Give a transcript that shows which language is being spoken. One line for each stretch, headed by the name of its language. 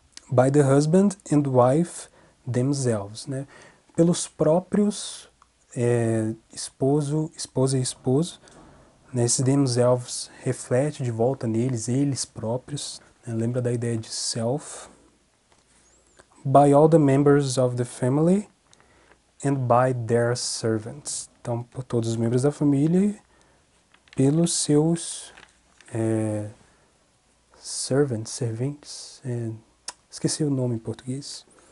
English: By the husband and wife themselves, né?
Portuguese: Pelos próprios esposo, esposa e esposo. Esses themselves reflete de volta neles, eles próprios, né? Lembra da ideia de self.
English: By all the members of the family and by their servants.
Portuguese: Então, por todos os membros da família e pelos seus servants, serventes. Esqueci o nome em português.